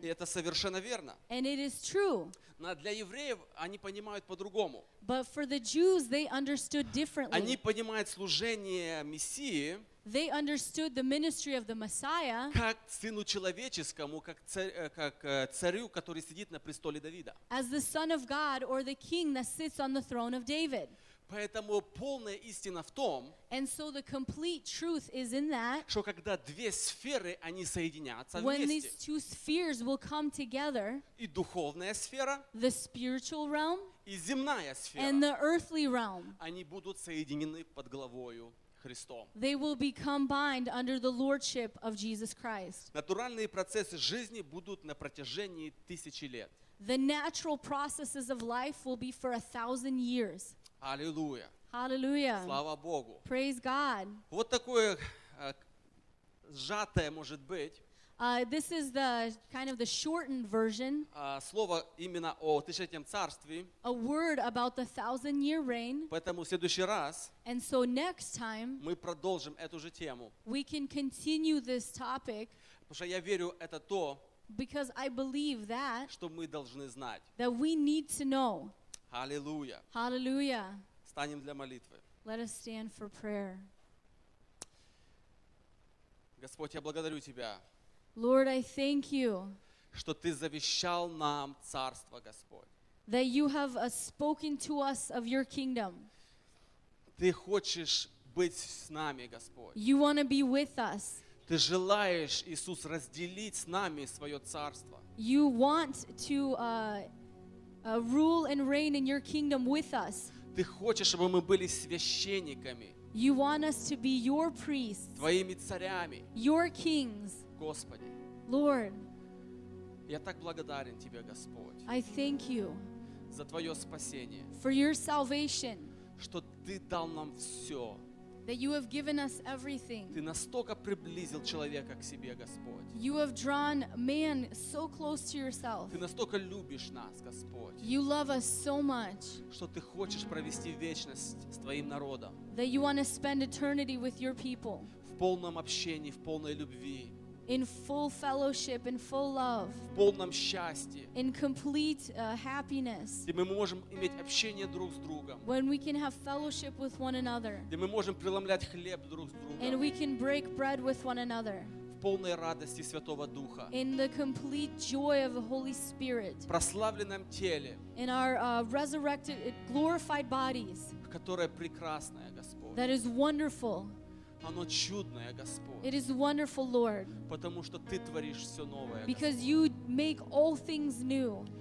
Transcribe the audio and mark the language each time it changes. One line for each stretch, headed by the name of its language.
Russian: И это совершенно верно.
English: And it is true.
Russian: Но для евреев они понимают по-другому.
English: But for the Jews, they understood differently.
Russian: Они понимают служение Мессии.
English: They understood the ministry of the Messiah.
Russian: Как сыну человеческому, как царю, который сидит на престоле Давида.
English: As the Son of God or the King that sits on the throne of David.
Russian: Поэтому полная истина в том,
English: and so the complete truth is in that,
Russian: что когда две сферы они соединятся
English: when
Russian: вместе,
English: these two spheres will come together,
Russian: и духовная сфера,
English: the spiritual realm,
Russian: и земная сфера,
English: and the earthly realm,
Russian: они будут соединены под главою Христом.
English: They will be combined under the lordship of Jesus Christ.
Russian: Натуральные процессы жизни будут на протяжении тысячи лет.
English: The natural processes of life will be for 1,000 years.
Russian: Аллилуйя.
English: Hallelujah.
Russian: Слава Богу.
English: Praise God.
Russian: Вот такое сжатое может быть.
English: This is the kind of the shortened version.
Russian: Слово именно о тысячелетнем царстве.
English: A word about the 1,000-year reign.
Russian: Поэтому в следующий раз.
English: And so next time.
Russian: Мы продолжим эту же тему.
English: We can continue this topic.
Russian: Потому что я верю, это то.
English: Because I believe that.
Russian: Что мы должны знать.
English: That we need to know.
Russian: Аллилуйя.
English: Hallelujah.
Russian: Станем для молитвы.
English: Let us stand for prayer.
Russian: Господь, я благодарю тебя.
English: Lord, I thank you.
Russian: Что ты завещал нам царство, Господь.
English: That you have spoken to us of your kingdom.
Russian: Ты хочешь быть с нами, Господь.
English: You want to be with us.
Russian: Ты желаешь, Иисус, разделить с нами свое царство.
English: You want to rule and reign in your kingdom with us.
Russian: Ты хочешь, чтобы мы были священниками.
English: You want us to be your priests.
Russian: Твоими царями.
English: Your kings.
Russian: Господи.
English: Lord.
Russian: Я так благодарен тебе, Господь.
English: I thank you.
Russian: За твое спасение.
English: For your salvation.
Russian: Что ты дал нам все.
English: That you have given us everything.
Russian: Ты настолько приблизил человека к себе, Господь.
English: You have drawn man so close to yourself.
Russian: Ты настолько любишь нас, Господь.
English: You love us so much.
Russian: Что ты хочешь провести вечность с твоим народом.
English: That you want to spend eternity with your people.
Russian: В полном общении, в полной любви.
English: In full fellowship, in full love.
Russian: В полном счастье.
English: In complete happiness.
Russian: Где мы можем иметь общение друг с другом.
English: When we can have fellowship with one another.
Russian: Где мы можем преломлять хлеб друг с другом.
English: And we can break bread with one another.
Russian: В полной радости Святого Духа.
English: In the complete joy of the Holy Spirit.
Russian: В прославленном теле.
English: In our resurrected, glorified bodies.
Russian: Которое прекрасное, Господь.
English: That is wonderful.
Russian: Оно чудное, Господь.
English: It is wonderful, Lord.
Russian: Потому что ты творишь все новое.
English: Because you make all things new.